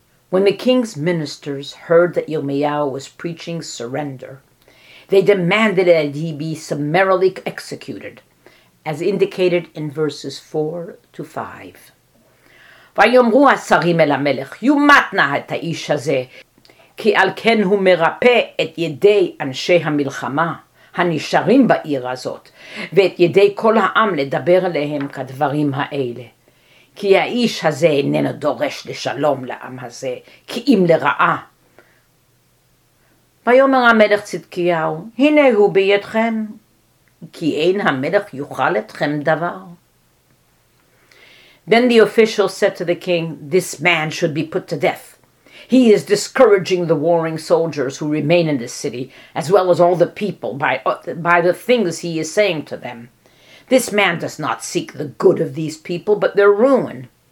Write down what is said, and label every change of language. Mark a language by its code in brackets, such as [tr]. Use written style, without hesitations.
[en] When the king's ministers heard that Yirmiyahu was preaching surrender, they demanded that he be summarily executed, as indicated in verses 4 to 5. [he] Vayomru asarim el ha-melech, yumatna et ha-ish hazeh, ki al ken hu merape et yedei anshei ha-milchama, הנשארים בעיר הזאת, ואת ידי כל העם לדבר אליהם כדברים האלה. כי האיש הזה איננו דורש לשלום לעם הזה, כי אם לרעה. ויאמר המלך צדקיהו, הנה הוא בידכם, כי אין המלך יוכל אתכם דבר. [en] Then the official said to the king, this man should be put to death. He is discouraging the warring soldiers who remain in this city, as well as all the people, by the things he is saying to them. This man does not seek the good of these people, but their ruin.